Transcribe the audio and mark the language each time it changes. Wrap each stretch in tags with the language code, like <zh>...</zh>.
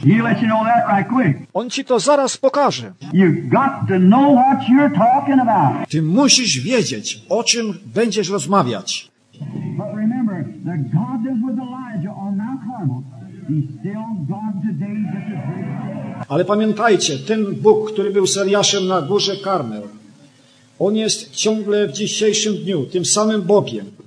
<en>He let you know that right quick.</en> <pl>On ci to zaraz pokaże.</pl> <en>You've got to know what you're talking about.</en> <pl>Ty musisz wiedzieć, o czym będziesz rozmawiać.</pl> <en>But remember, the God that was Elijah on Mount Carmel, he's still God today.</en> <pl>Ale pamiętajcie, ten Bóg, który był z Eliaszem na górze Karmel, On jest ciągle w dzisiejszym dniu tym samym Bogiem.</pl>